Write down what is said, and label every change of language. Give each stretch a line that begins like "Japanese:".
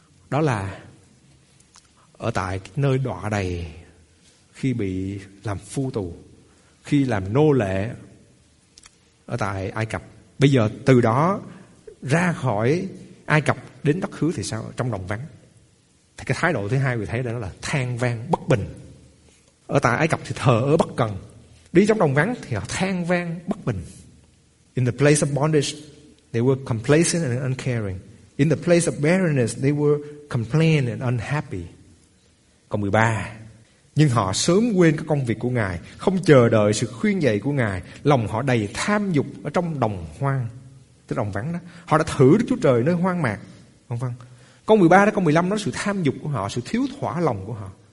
Vietnamese: Đó là ở tại nơi đọa đày, khi bị làm phu tù, khi làm nô lệ ở tại Ai Cập. Bây giờ từ đó ra khỏi Ai Cập đến đất hứa thì sao? Trong đồng vắng. Thì cái thái độ thứ hai người thấy đó là than vang bất bình. Ở tại Ai Cập thì thờ ơ bất cần, đi trong đồng vắng thì họ than vang bất bình.
English: In the place of bondage, they were complacent and uncaring. In the place of barrenness, they were complaining and unhappy.
Vietnamese: Câu 13, nhưng họ sớm quên các công việc của Ngài, không chờ đợi sự khuyên dạy của Ngài, lòng họ đầy tham dục ở trong đồng hoang, tức đồng vắng đó. Họ đã thử Đức Chúa Trời nơi hoang mạc, vân vân. Câu 13 đến câu 15 nói sự tham dục của họ, sự thiếu thỏa lòng của họ.